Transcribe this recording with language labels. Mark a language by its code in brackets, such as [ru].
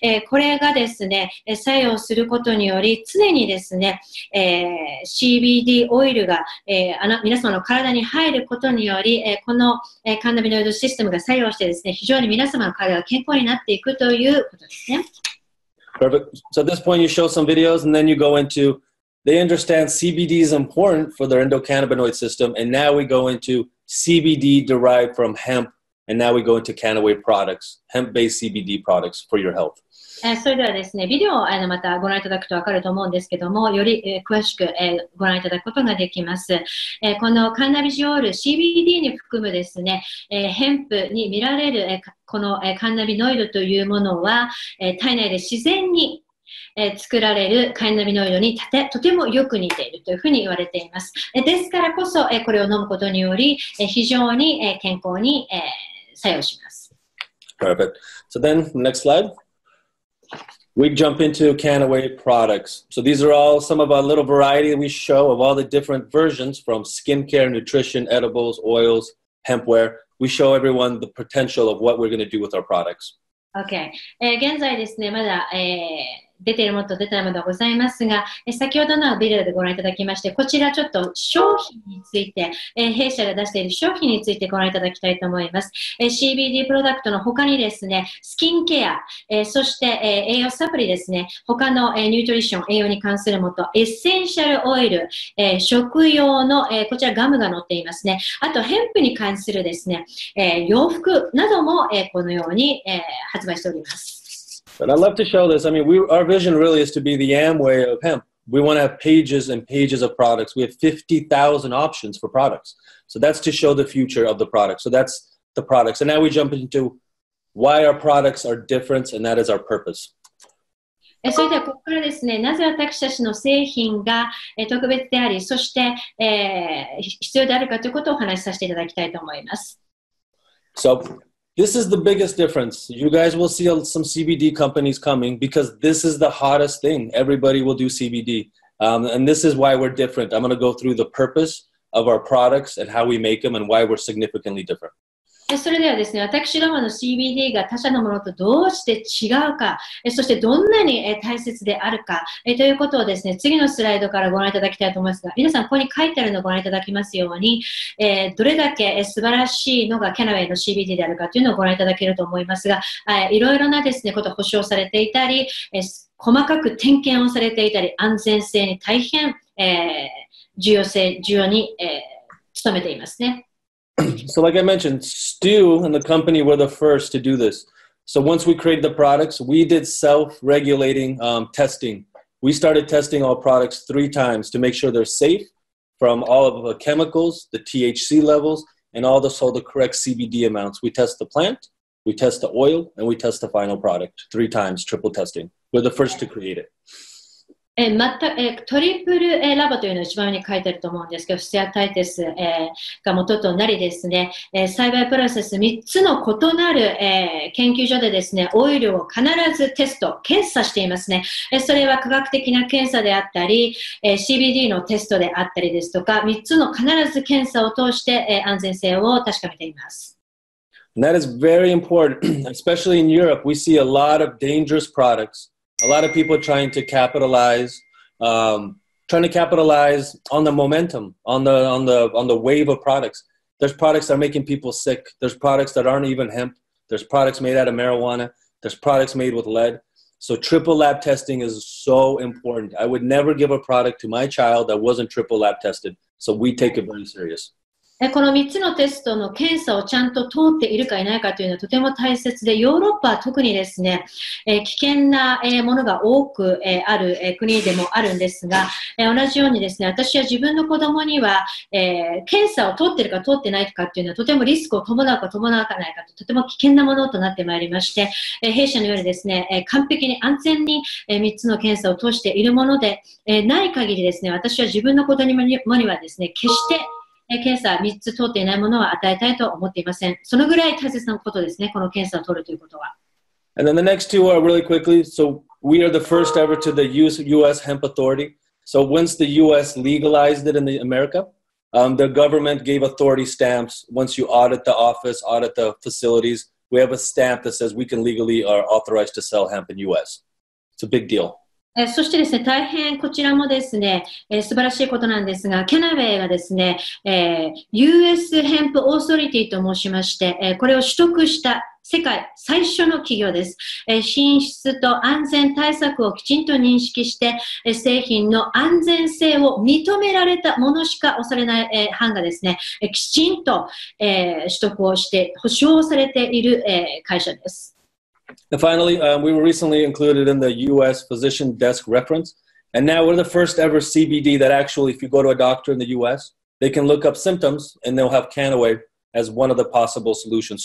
[ja] これがですね、作用することにより常にですね、CBD オイルが、皆様の体に入ることにより、この、カンナビノイドシステムが作用してですね、非常に皆様の体が健康になっていくということですね。 [en] Perfect. So at this point you show some videos and then you go into They understand CBD is important for their endocannabinoid system, and now we go into CBD derived from hemp, and now we go into Kannaway products, hemp-based CBD products for your health. [ja] それではですね、ビデオをまたご覧いただくと分かると思うんですけども、より詳しくご覧いただくことができます。このカンナビジオール CBD に含むですね、ヘンプに見られるこのカンナビノイドというものは、体内で自然に作られるカンナビノイドにとてもよく似ているというふうに言われています。ですからこそ、これを飲むことにより、非常に健康に作用します。 [en] Perfect. So then, next slide. We jump into Kannaway products. So these are all some of our little variety we show of all the different versions from skincare, nutrition, edibles, oils, hempware. We show everyone the potential of what we're going to do with our products. Okay. [ja] 現在ですね、まだ、出ているものと出てないものがございますが、先ほどのビデオでご覧いただきまして、こちらちょっと商品について、弊社が出している商品についてご覧いただきたいと思います。 CBD プロダクトの他にですね、スキンケア、そして、栄養サプリですね、他の、ニュートリション、栄養に関するもの、エッセンシャルオイル、食用の、こちらガムが載っていますね。あと、ヘンプに関するですね、洋服なども、このように、発売しております。 [en] But I'd love to show this. I mean, our vision really is to be the Amway of hemp. We want to have pages and pages of products. We have 50,000 options for products. So that's to show the future of the product. So that's the products. And now we jump into why our products are different, and that is our purpose. [ja] それではここからですね、なぜ私たちの製品が特別であり、そして、必要であるかということをお話しさせていただきたいと思います。 [en] So,This is the biggest difference. You guys will see some CBD companies coming because this is the hottest thing. Everybody will do CBD. And this is why we're different. I'm going to go through the purpose of our products and how we make them and why we're significantly different. [ja] それではですね、私どもの CBD が他社のものとどうして違うか、そしてどんなに大切であるかということをですね、次のスライドからご覧いただきたいと思いますが、皆さんここに書いてあるのをご覧いただきますように、どれだけ素晴らしいのがKannaway の CBD であるかというのをご覧いただけると思いますが、いろいろなですね、ことを保証されていたり、細かく点検をされていたり、安全性に大変、重要に、努めていますね。 [en] So like I mentioned, Stew and the company were the first to do this. So once we created the products, we did self-regulating testing. We started testing all products 3 times to make sure they're safe from all of the chemicals, the THC levels, and all the correct CBD amounts. We test the plant, we test the oil, and we test the final product 3 times, triple testing. We're the first to create it. [ja] トリプルラボというのを一番上に書いてあると思うんですけど、ステアタイテスが元となりですね、栽培プロセス3つの異なる研究所でですね、オイルを必ずテスト、検査していますね。それは科学的な検査であったり、CBD のテストであったりですとか、3つの必ず検査を通して安全性を確かめています。 [en] And that is very important, especially in Europe. We see a lot of dangerous products. A lot of people trying to capitalize on the momentum, on the wave of products. There's products that are making people sick. There's products that aren't even hemp. There's products made out of marijuana. There's products made with lead. So triple lab testing is so important. I would never give a product to my child that wasn't triple lab tested. So we take it very serious. [ja] この3つのテストの検査をちゃんと通っているかいないかというのはとても大切で、ヨーロッパは特にですね、危険なものが多くある国でもあるんですが、同じようにですね、私は自分の子供には、検査を通っているか通っていないかというのはとてもリスクを伴うか伴わないかと、とても危険なものとなってまいりまして、弊社のようにですね、完璧に安全に3つの検査を通しているもので、ない限りですね、私は自分の子供にはですね、決して検査3つ通っていないものは与えたいと思っていません。そのぐらい大切なことですね、この検査を取るということは。 [en] And then the next two are really quickly. So we are the first ever to the U.S. Hemp Authority. So once the U.S. legalized it in America, the government gave authority stamps. Once you audit the office, audit the facilities, we have a stamp that says we can legally are authorized to sell hemp in U.S. It's a big deal. [ja] そしてですね、大変こちらもですね、素晴らしいことなんですが、キャナウェイがですね、US Hemp Authority と申しまして、これを取得した世界最初の企業です。品質と安全対策をきちんと認識して、製品の安全性を認められたものしか押されない版がですね、きちんと取得をして保証されている会社です。 [en] And finally, we were recently included in the U.S. Physician Desk Reference, and now we're the first ever CBD that actually, if you go to a doctor in the U.S., they can look up symptoms and they'll have Kannaway as one of the possible solutions.